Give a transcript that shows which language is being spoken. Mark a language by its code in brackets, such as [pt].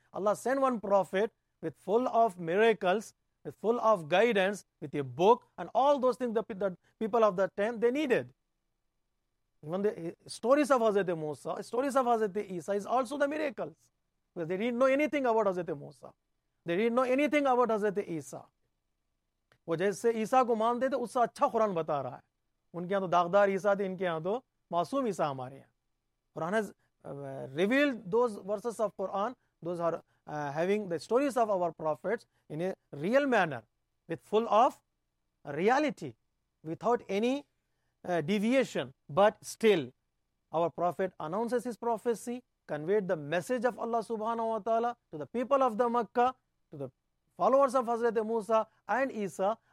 [en] Allah sent one prophet with full of miracles, with full of guidance, with a book, and all those things that the people of that time they needed. Even the stories of Hazrat Musa, stories of Hazrat Isa is also the miracles. Because they didn't know anything about Hazrat Musa. They didn't know anything about Hazrat Isa. [ur] وہ جیسے عیسیٰ کو مانتے تھے اس سے اچھا قرآن بتا رہا ہے. ان کے یہاں تو داغدار عیسیٰ تھے, ان کے یہاں تو معصوم عیسیٰ ہمارے ہیں. [en] قرآن has revealed those verses of Quran, those are having the stories of our prophets in a real manner, with full of reality, without any deviation. But still, our prophet announces his prophecy, conveyed the message of Allah subhanahu wa ta'ala to the people of the Makkah, to the followers of Hazrat Musa and Isa.